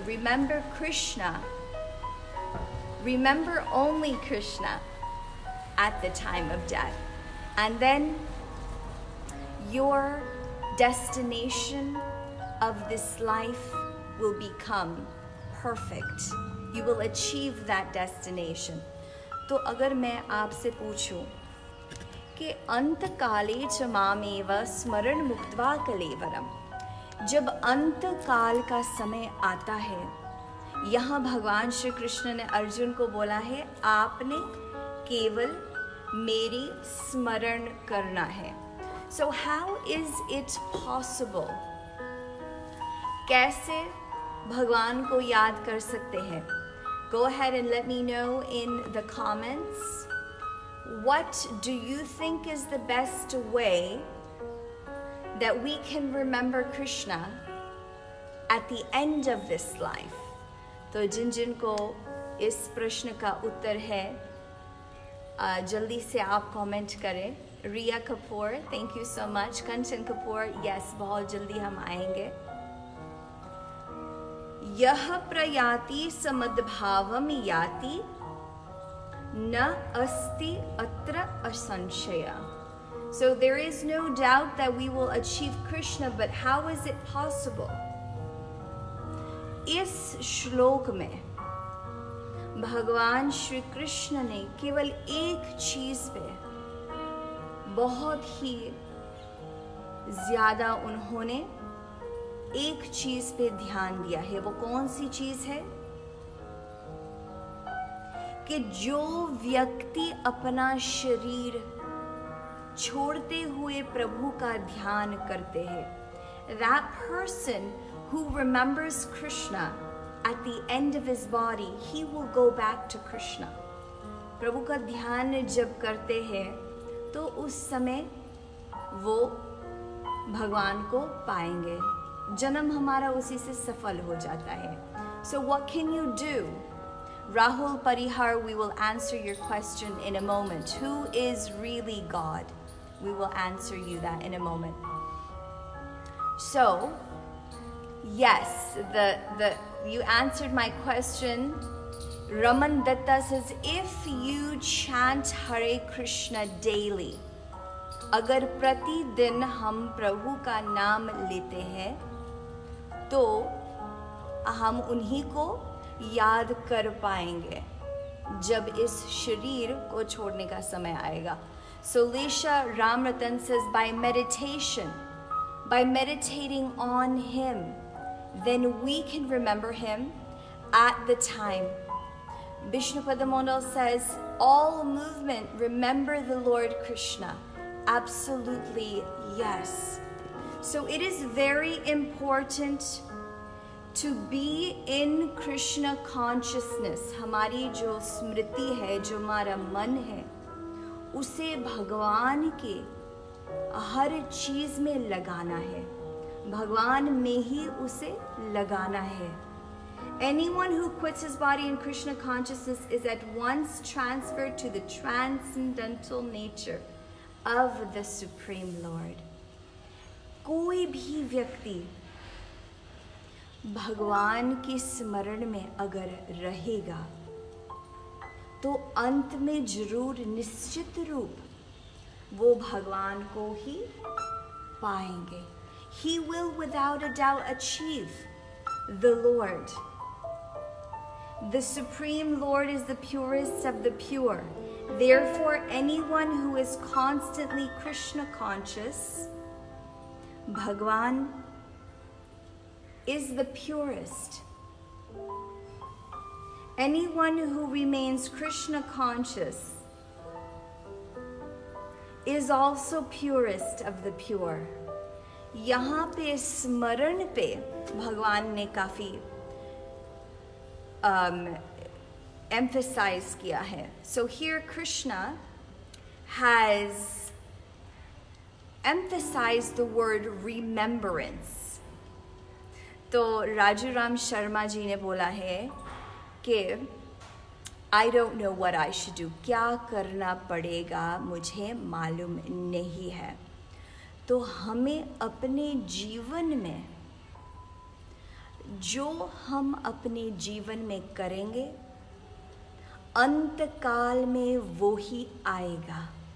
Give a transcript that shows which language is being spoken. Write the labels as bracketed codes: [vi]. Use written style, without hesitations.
[en] Remember Krishna. Remember only Krishna at the time of death. And then your destination of this life will become perfect. You will achieve that destination. [hi] तो अगर मैं आपसे पूछूं कि [sa] अंतकाले च मामेव स्मरण मुक्त्वा कलेवरम, [hi] जब अंतकाल का समय आता है, यहाँ भगवान श्री कृष्ण ने अर्जुन को बोला है आपने केवल मेरी स्मरण करना है. [en] so how is it possible, [hi] कैसे भगवान को याद कर सकते हैं? [en] Go ahead and let me know in the comments. What do you think is the best way that we can remember Krishna at the end of this life? [hi] तो जिन जिन को इस प्रश्न का उत्तर है जल्दी से आप कमेंट करें. [en] Riya Kapoor, thank you so much. [hi] Kanchan Kapoor, yes, बहुत जल्दी हम आएंगे. [sa] यह प्रयाति समद्भावम याति न अस्ति अत्र असंशयः. [en] So there is no doubt that we will achieve Krishna, but how is it possible? [hi] इस श्लोक में भगवान श्री कृष्ण ने केवल एक चीज पे बहुत ही ज्यादा उन्होंने एक चीज पे ध्यान दिया है. वो कौन सी चीज है? कि जो व्यक्ति अपना शरीर छोड़ते हुए प्रभु का ध्यान करते हैं, [en] that person who remembers Krishna at the end of his body, he will go back to Krishna. [hi] प्रभु का ध्यान जब करते हैं तो उस समय वो भगवान को पाएंगे. जन्म हमारा उसी से सफल हो जाता है. [en] So what can you do? Rahul Parihar, we will answer your question in a moment. Who is really God? We will answer you that in a moment. So, yes, you answered my question. Raman Datta says, if you chant Hare Krishna daily, [hi] अगर प्रतिदिन हम प्रभु का नाम लेते हैं तो हम उन्हीं को याद कर पाएंगे जब इस शरीर को छोड़ने का समय आएगा. [en] So Lisha Ramratan says, by meditation, by meditating on him, then we can remember him at the time. Bishnupada Mondal says, all movement, remember the Lord Krishna. Absolutely, yes. So it is very important to be in Krishna consciousness. [hi] Hamari jo smriti hai, jo mara man hai, उसे भगवान के हर चीज में लगाना है, भगवान में ही उसे लगाना है. [en] Anyone who quits his body in Krishna consciousness is at once transferred to the transcendental nature of the Supreme Lord. [hi] कोई भी व्यक्ति भगवान के स्मरण में अगर रहेगा तो अंत में जरूर निश्चित रूप वो भगवान को ही पाएंगे. [en] He will without a doubt achieve the Lord. The Supreme Lord is the purest of the pure. Therefore, anyone who is constantly Krishna conscious, Bhagwan is the purest. Anyone who remains Krishna conscious is also purest of the pure. [hi] यहाँ पे स्मरण पे भगवान ने काफी emphasize किया है. [en] So here Krishna has emphasized the word remembrance. [hi] तो राजू राम शर्मा जी ने बोला है कि [en] I don't know what I should do. [hi] क्या करना पड़ेगा मुझे मालूम नहीं है. तो हमें अपने जीवन में जो हम अपने जीवन में करेंगे अंतकाल में वो ही आएगा.